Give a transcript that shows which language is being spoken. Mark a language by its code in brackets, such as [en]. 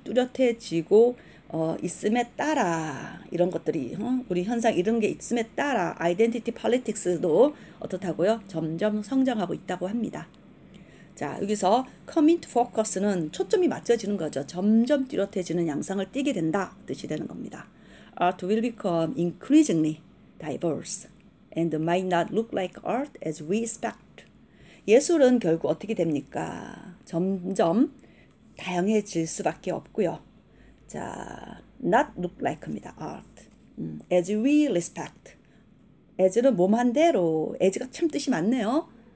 [ko] 뚜렷해지고 있음에 따라 이런 것들이 우리 현상 이런 게 있음에 따라 아이덴티티 폴리틱스도 어떻다고요? 점점 성장하고 있다고 합니다. 자, 여기서 come into focus는 초점이 맞춰지는 거죠. 점점 뚜렷해지는 양상을 띄게 된다 뜻이 되는 겁니다. [en] Art will become increasingly diverse and might not look like art as we expect. [ko] 예술은 결국 어떻게 됩니까? 점점 다양해질 수밖에 없고요. [en] 자, not look like입니다. art. as we respect. [ko] as는 몸한 대로. as가 참 뜻이 많네요.